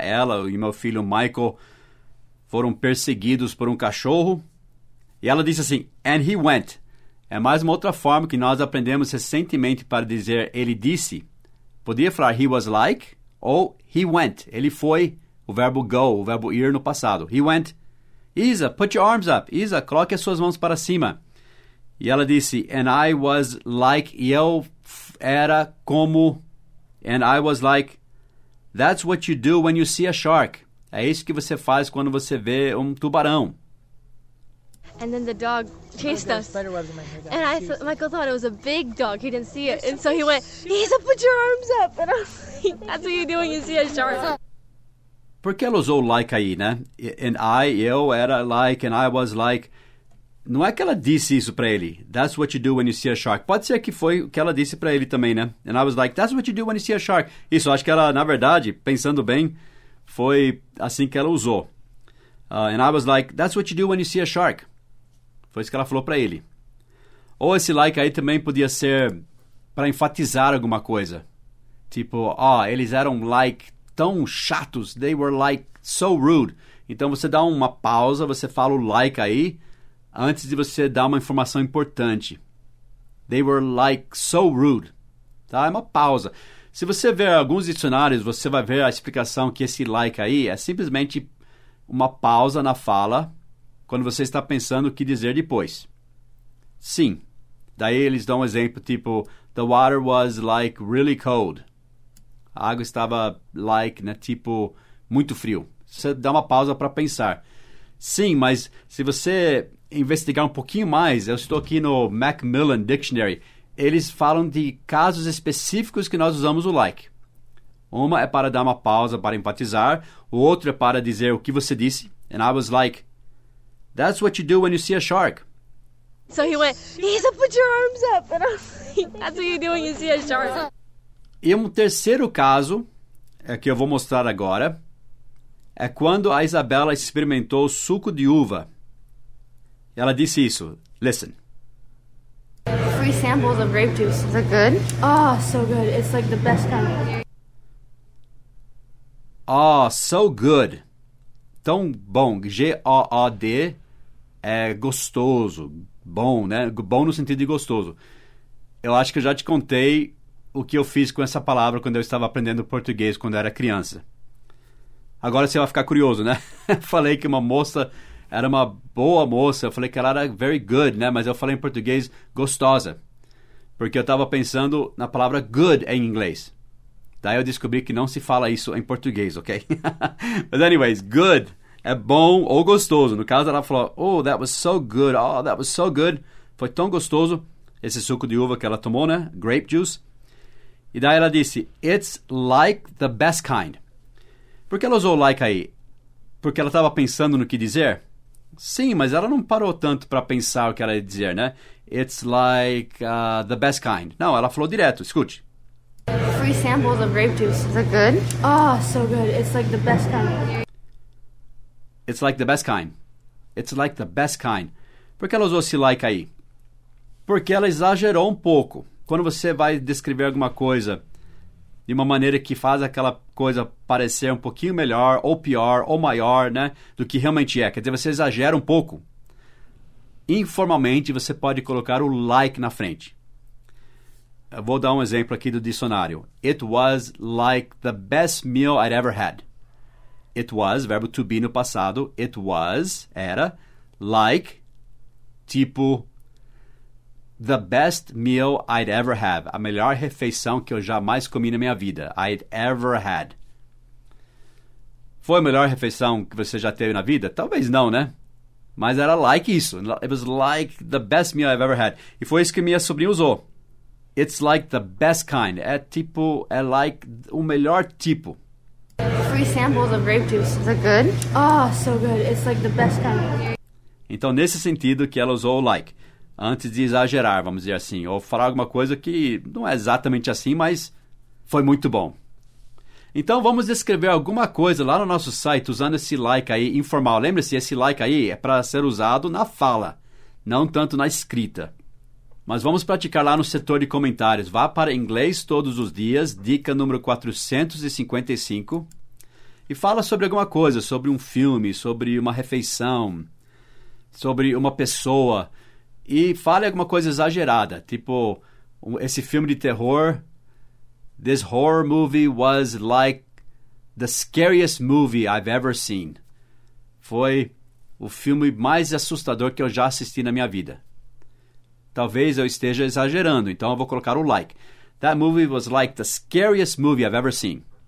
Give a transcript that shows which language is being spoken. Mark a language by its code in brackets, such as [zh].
[pt] Ela e meu filho Michael foram perseguidos por um cachorro. E ela disse assim, [en] and he went. [pt] É mais uma outra forma que nós aprendemos recentemente para dizer ele disse. Podia falar [en] he was like [pt] ou [en] he went. [pt] Ele foi, o verbo go, o verbo ir no passado. [en] He went. Isa, put your arms up. [pt] Isa, coloque as suas mãos para cima. E ela disse, [en] and I was like, [pt] e eu era como, [en] and I was like, that's what you do when you see a shark. [pt] É isso que você faz quando você vê um tubarão. [en] And then the dog chased us. And I thought, Michael thought it was a big dog. He didn't see it. And so he went, Isa, put your arms up. And I'm like, that's what you do when you see a shark. [pt] Por que ela usou like aí, né? [en] And I, [pt] eu era [en] like, and I was like. [pt] Não é que ela disse isso pra ele. [en] That's what you do when you see a shark. [pt] Pode ser que foi o que ela disse pra ele também, né? [en] And I was like, that's what you do when you see a shark. [pt] Isso, acho que ela, na verdade, pensando bem, foi assim que ela usou. [en] And I was like, that's what you do when you see a shark. [pt] Foi isso que ela falou pra ele. Ou esse like aí também podia ser pra enfatizar alguma coisa. Tipo, ó, oh, eles eram like tão chatos, [en] they were like so rude. [pt] Então você dá uma pausa, você fala o like aí, antes de você dar uma informação importante. [en] They were like so rude. [pt] Tá? É uma pausa. Se você ver alguns dicionários, você vai ver a explicação que esse like aí é simplesmente uma pausa na fala, quando você está pensando o que dizer depois. Sim. Daí eles dão um exemplo, tipo, [en] the water was like really cold. [pt] A água estava like, né, tipo, muito frio. Você dá uma pausa para pensar. Sim, mas se você investigar um pouquinho mais, eu estou aqui no Macmillan Dictionary, eles falam de casos específicos que nós usamos o like. Uma é para dar uma pausa, para enfatizar. O outro é para dizer o que você disse. [en] And I was like, that's what you do when you see a shark. So he went, Isa, put your arms up. And I'm like, that's what you do when you see a shark. [pt] E um terceiro caso, é que eu vou mostrar agora, é quando a Isabela experimentou o suco de uva. Ela disse isso. Listen. [en] Free samples of grape juice. Is it good? Oh, so good. It's like the best kind. Oh, so good. [pt] Tão bom. G-O-O-D é gostoso. Bom, né? Bom no sentido de gostoso. Eu acho que eu já te contei o que eu fiz com essa palavra quando eu estava aprendendo português quando eu era criança. Agora você vai ficar curioso, né? Falei que uma moça era uma boa moça. Eu falei que ela era very good, né? Mas eu falei em português gostosa. Porque eu estava pensando na palavra good em inglês. Daí eu descobri que não se fala isso em português, ok? Mas anyways, good é bom ou gostoso. No caso, ela falou, [en] oh, that was so good. Oh, that was so good. [pt] Foi tão gostoso esse suco de uva que ela tomou, né? [en] Grape juice. [pt] E daí ela disse, [en] it's like the best kind. [pt] Por que ela usou like aí? Porque ela estava pensando no que dizer? Sim, mas ela não parou tanto para pensar o que ela ia dizer, né? [en] It's like the best kind. [pt] Não, ela falou direto, escute. [en] Free samples of grape juice. Is it good? Oh, so good. It's like the best kind. It's like the best kind. It's like the best kind. [pt] Por que ela usou esse like aí? Porque ela exagerou um pouco. Quando você vai descrever alguma coisa de uma maneira que faz aquela coisa parecer um pouquinho melhor, ou pior, ou maior, né, do que realmente é. Quer dizer, você exagera um pouco. Informalmente, você pode colocar o like na frente. Eu vou dar um exemplo aqui do dicionário. [en] It was like the best meal I'd ever had. It was, [pt] verbo to be no passado. [en] It was, era, like, tipo, the best meal I'd ever have. [pt] A melhor refeição que eu jamais comi na minha vida. [en] I'd ever had. [pt] Foi a melhor refeição que você já teve na vida? Talvez não, né? Mas era like isso. [en] It was like the best meal I've ever had. [pt] E foi isso que minha sobrinha usou. [en] It's like the best kind. [pt] É tipo, é like o melhor tipo. [en] Free samples of grape juice. Is it good? Oh, so good. It's like the best kind. [pt] Então, nesse sentido que ela usou o like. Antes de exagerar, vamos dizer assim. Ou falar alguma coisa que não é exatamente assim, mas foi muito bom. Então, vamos descrever alguma coisa lá no nosso site usando esse like aí informal. Lembre-se, esse like aí é para ser usado na fala, não tanto na escrita. Mas vamos praticar lá no setor de comentários. Vá para Inglês Todos os Dias, dica número 455. E fala sobre alguma coisa, sobre um filme, sobre uma refeição, sobre uma pessoa. E fale alguma coisa exagerada, tipo, esse filme de terror. [en] This horror movie was like the scariest movie I've ever seen. [pt] Foi o filme mais assustador que eu já assisti na minha vida. Talvez eu esteja exagerando, então eu vou colocar o like. [en] That movie was like the scariest movie I've ever seen.